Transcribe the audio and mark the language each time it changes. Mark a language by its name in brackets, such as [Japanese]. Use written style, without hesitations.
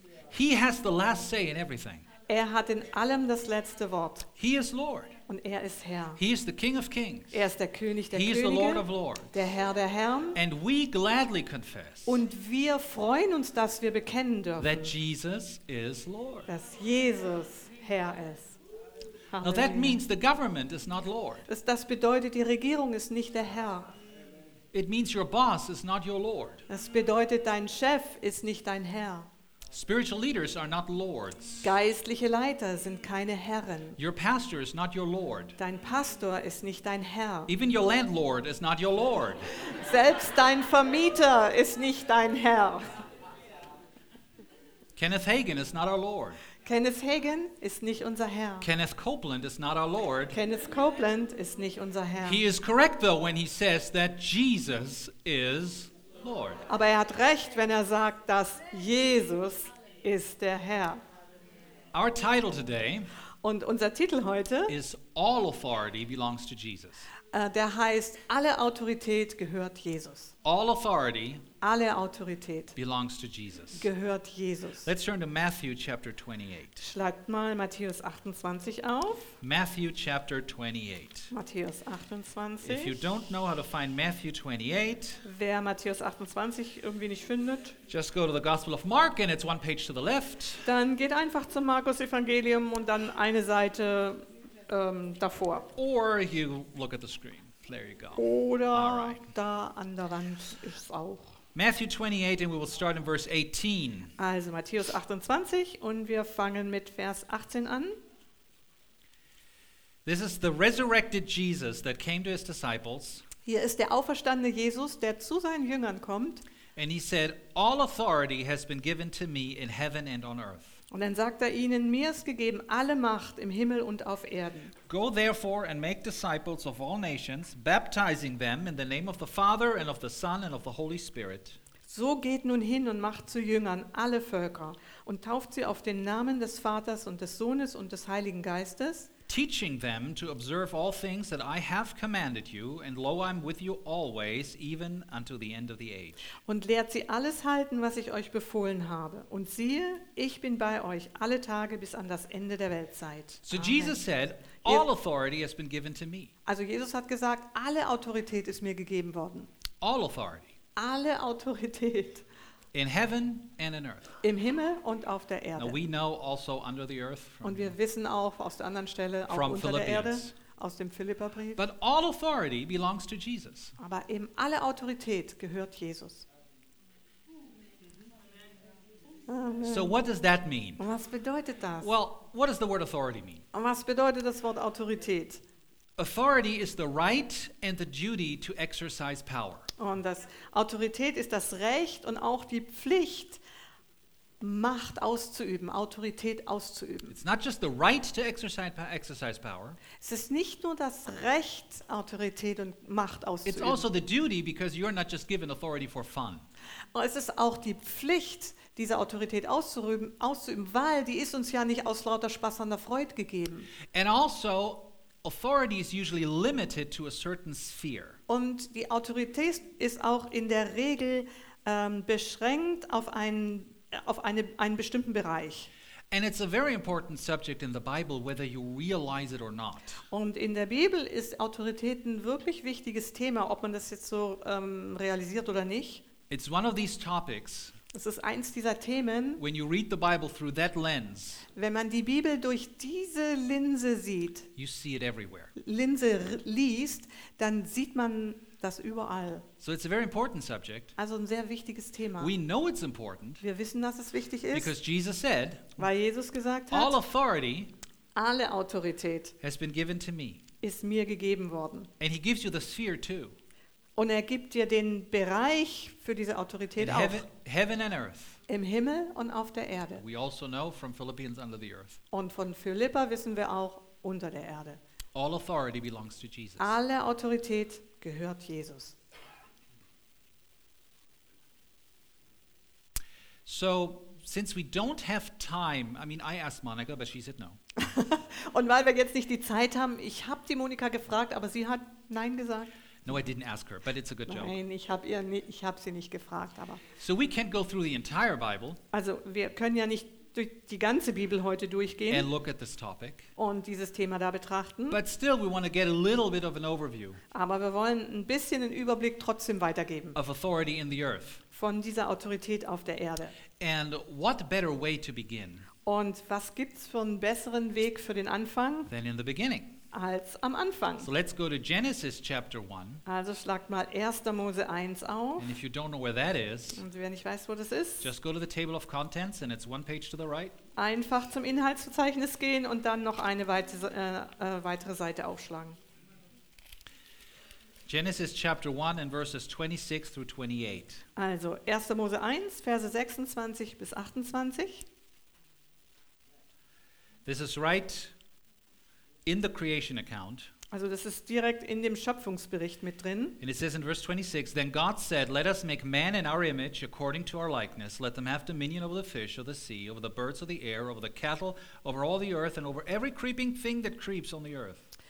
[English] He has the last say in everything. [German] Er hat in allem das letzte Wort. [English] He is Lord. [German] Und er ist Herr. [English] He is the King of Kings. [German] Er ist der König der [English] He [German] Könige. [English] Is the Lord of Lords. [German] Der Herr der Herren. [English] And we gladly confess. [German] Und wir freuen uns, dass wir bekennen dürfen. [English] That Jesus is Lord. [German] Dass Jesus Herr ist. [English] Now that means the government is not Lord. [German] Das bedeutet, die Regierung ist nicht der Herr. [English] It means your boss is not your Lord. [German] Das bedeutet, dein Chef ist nicht dein Herr. [English] Spiritual leaders are not lords. [German] Geistliche Leiter sind keine Herren. [English] Your pastor is not your lord. [German] Dein Pastor ist nicht dein Herr. [English] Even your landlord is not your lord. [German] Selbst dein Vermieter ist nicht dein Herr. [English] Kenneth Hagin is not our lord. [German] Kenneth Hagin ist nicht unser Herr. [English] Kenneth Copeland is not our lord. [German] Kenneth Copeland ist nicht unser Herr. [English] He is correct though when he says that Jesus is Lord. [German] Aber er hat recht, wenn er sagt, dass Jesus ist der Herr. [English] Our title today, [German] und unser Titel heute, [English] is All Authority Belongs to Jesus. [German] Der heißt, alle Autorität gehört Jesus. [English] All authority, [German] alle Autorität [English] belongs to Jesus. [German] Gehört Jesus. [English] Let's turn to Matthew chapter 28. [German] Schlagt mal Matthäus 28 auf. [English] Matthew chapter 28. [German] Matthäus 28. [English] If you don't know how to find Matthew 28, [German] wer Matthäus 28 irgendwie nicht findet, [English] just go to the Gospel of Mark and it's one page to the left. [German] Dann geht einfach zum Markus Evangelium und dann eine Seite davor. [English] Or you look at the screen. There you go. [German] Oder right. Da an der Wand ist auch. [English] Matthew 28 and we will start in verse 18. [German] Also Matthäus 28 und wir fangen mit Vers 18 an. [English] This is the resurrected Jesus that came to his disciples. [German] Hier ist der auferstandene Jesus, der zu seinen Jüngern kommt. [English] And he said, all authority has been given to me in heaven and on earth. [German] Und dann sagt er ihnen, mir ist gegeben alle Macht im Himmel und auf Erden. [English] Go therefore and make disciples of all nations, baptizing them in the name of the Father and of the Son and of the Holy Spirit. [German] So geht nun hin und macht zu Jüngern alle Völker und tauft sie auf den Namen des Vaters und des Sohnes und des Heiligen Geistes. [English] Teaching them to observe all things that I have commanded you, and lo, I'm with you always, even unto the end of the age. [German] Und lehrt sie alles halten, was ich euch befohlen habe. Und siehe, ich bin bei euch alle Tage bis an das Ende der Weltzeit. [English] So Amen. Jesus said, all authority has been given to me. [German] Also Jesus hat gesagt, alle Autorität ist mir gegeben worden. [English] All authority. [German] Alle Autorität. [English] In heaven and in earth. [German] Im Himmel und auf der Erde. [English] Now we know also under the earth. [German] Und wir wissen auch aus der anderen Stelle auch unter [English] Philippians. [German] Der Erde aus dem Philipperbrief. [English] But all authority belongs to Jesus. [German] Aber eben alle Autorität gehört Jesus. [English] So what does that mean? [German] Und was bedeutet das? [English] Well, what does the word authority mean? [German] Und was bedeutet das Wort Autorität? [English] Authority is the right and the duty to exercise power. [German] Und das Autorität ist das Recht und auch die Pflicht, Macht auszuüben, Autorität auszuüben. [English] It's not just the right to exercise power. [German] Es ist nicht nur das Recht, Autorität und Macht auszuüben. [English] It's also the duty because you're not just given authority for fun. [German] Es ist auch die Pflicht, diese Autorität auszuüben, weil die ist uns ja nicht aus lauter Spaß an der Freude gegeben. [English] And also authority is usually limited to a certain sphere. [German] Und die Autorität ist auch in der Regel beschränkt auf einen bestimmten Bereich. [English] And it's a very important subject in the Bible, whether you realize it or not. [German] Und in der Bibel ist Autorität ein wirklich wichtiges Thema, ob man das jetzt so realisiert oder nicht. [English] It's one of these topics. [German] Es ist eins dieser Themen. [English] When you read the Bible through that lens. [German] Wenn man die Bibel durch diese Linse sieht. [English] You see it everywhere. [German] Linse liest, dann sieht man das überall. [English] So it's a very important subject. [German] Also ein sehr wichtiges Thema. [English] We know it's important. [German] Wir wissen, dass es wichtig ist. [English] Because Jesus said, [German] weil Jesus gesagt hat, [English] all authority, [German] alle Autorität, [English] has been given to me, [German] ist mir gegeben worden. [English] And he gives you the sphere too. [German] Und er gibt dir den Bereich für diese Autorität auch. [English] Heaven and earth. [German] Im Himmel und auf der Erde. [English] We also know from Philippians under the earth. [German] Und von Philippa wissen wir auch unter der Erde. [English] All authority belongs to Jesus. [German] Alle Autorität gehört Jesus. [English] So, since we don't have time, I mean, I asked Monica, but she said no. [German] Und weil wir jetzt nicht die Zeit haben, ich habe die Monika gefragt, aber sie hat nein gesagt. [English] No, I didn't ask her, but it's a good [German] Nein, [English] joke. [German] Nein, ich habe sie nicht gefragt, aber. [English] So we can't go through the entire Bible. [German] Also wir können ja nicht durch die ganze Bibel heute durchgehen. [English] And look at this topic. [German] Und dieses Thema da betrachten. [English] But still, we want to get a little bit of an overview. [German] Aber wir wollen ein bisschen einen Überblick trotzdem weitergeben. [English] Of authority in the earth. [German] Von dieser Autorität auf der Erde. [English] And what better way to begin? [German] Und was gibt's für einen besseren Weg für den Anfang? [English] Than in the beginning. [German] Als am Anfang. [English] So let's go to Genesis chapter 1. [German] Also schlagt mal 1. Mose 1 auf. [English] And if you don't know where that is, [German] und wer nicht weiß, wo das ist, [English] just go to the table of contents and it's one page to the right. [German] Einfach zum Inhaltsverzeichnis gehen und dann noch eine weitere Seite aufschlagen. [English] Genesis chapter 1 and verses 26 through 28. [German] Also 1. Mose 1, Verse 26 bis 28. [English] This is right in the creation account. [German] Also das ist direkt in dem Schöpfungsbericht mit drin. [English] And it says in verse 26, then God said, let us make man in our image according to our likeness. Let them have dominion over the fish of the sea, over the birds of the air, over the cattle, over all the earth and over every creeping thing that creeps on the earth.